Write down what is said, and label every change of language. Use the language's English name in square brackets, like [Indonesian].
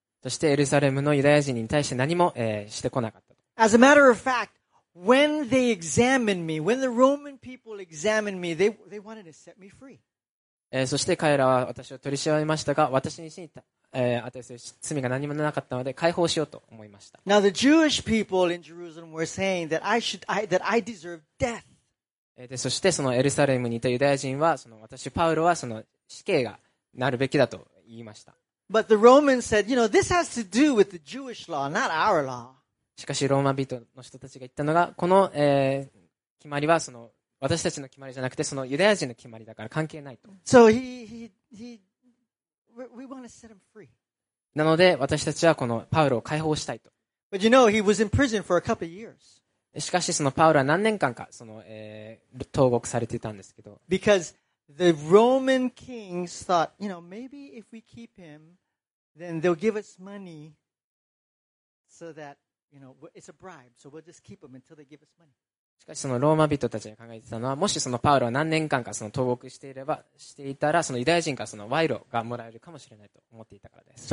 [Japanese] そしてエルサレムのユダヤ人に対して何も、してこなかった。 [English] As a matter of fact, when they examined me, when the Roman people examined me, they wanted to set me free. [Japanese] そして彼らは私を取り調べましたが、私に罪が何もなかったので解放しようと思いました。 [English] Now the Jewish people in Jerusalem were saying that I deserve death. [Japanese] でそしてそのエルサレムにいたユダヤ人はその私パウロはその死刑がなるべきだと言いました。 [English] But the Romans said, you know, this has to do with the Jewish law, not our law. [Japanese] しかしローマ人の人たちが言ったのが、この、決まりはその私たちの決まりじゃなくてそのユダヤ人の決まりだから関係ないと。 [English] So we want to set him free. [Japanese] なので私たちはこのパウロを解放したいと。 [English] But you know, he was in prison for a couple of years. [Japanese] しかしそのパウロは何年間かその、投獄されていたんですけど。 [English] Because the Roman kings thought, you know, maybe if we keep him, then they'll give us money so thatYou know, it's a bribe, so we'll just keep him until they give us money. [Japanese] しかしそのローマ人たちが考えてたのは、もしそのパウロは何年間かその投獄していればしていたら、そのユダヤ人からその賄賂がもらえるかもしれないと思っていたからです。